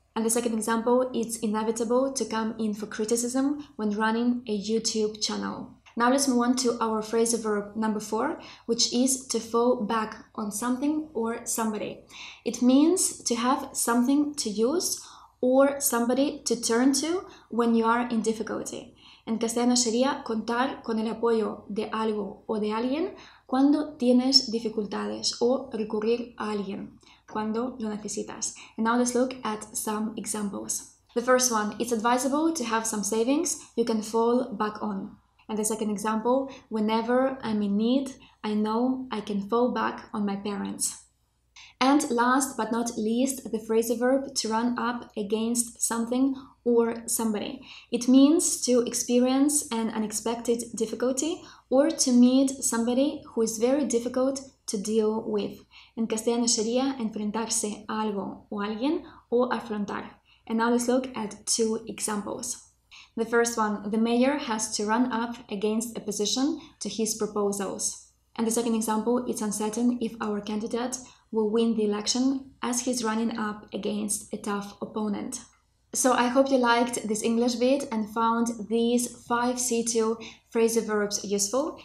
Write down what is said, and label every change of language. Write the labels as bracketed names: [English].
[English] And the second example, it's inevitable to come in for criticism when running a YouTube channel. Now let's move on to our phrasal verb number 4, which is to fall back on something or somebody. It means to have something to use or somebody to turn to when you are in difficulty. [Spanish] En castellano sería contar con el apoyo de algo o de alguien cuando tienes dificultades o recurrir a alguien cuando lo necesitas. [English] And now let's look at some examples. The first one, it's advisable to have some savings you can fall back on. And the second example, whenever I'm in need, I know I can fall back on my parents. And last but not least, the phrasal verb to run up against something or somebody. It means to experience an unexpected difficulty or to meet somebody who is very difficult to deal with. [Spanish] En castellano sería enfrentarse a algo o alguien o afrontar. [English] And now let's look at 2 examples. The first one, the mayor has to run up against opposition to his proposals. And the second example, it's uncertain if our candidate will win the election as he's running up against a tough opponent. So I hope you liked this English bit and found these 5 C2 phrasal verbs useful.